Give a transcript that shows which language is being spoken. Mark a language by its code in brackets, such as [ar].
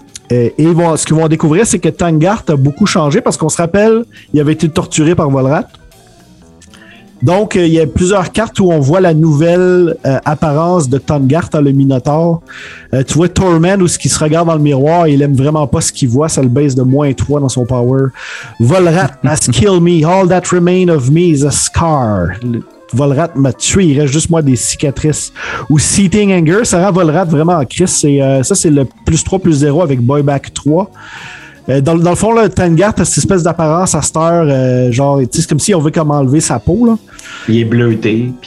[fr] Ce qu'ils vont découvrir, c'est que Tangart a beaucoup changé parce qu'on se rappelle, il avait été torturé par Volrat. Donc, il y a plusieurs cartes où on voit la nouvelle apparence de Tangart, le Minotaur. Tu vois Torment où il se regarde dans le miroir et il aime vraiment pas ce qu'il voit. Ça le baisse de -3 dans son power. [en] Volrat has killed me. All that remains of me is a scar. [fr] Volrat m'a tué, il reste juste moi des cicatrices. Ou Seating Anger, ça rend Volrat vraiment en crise. Ça, c'est le +3/+0 avec Buyback 3. Dans le fond, là, Tangart a cette espèce d'apparence à Star, genre, tu sais, c'est comme si on veut comme enlever sa peau. Là. Il est bleuté.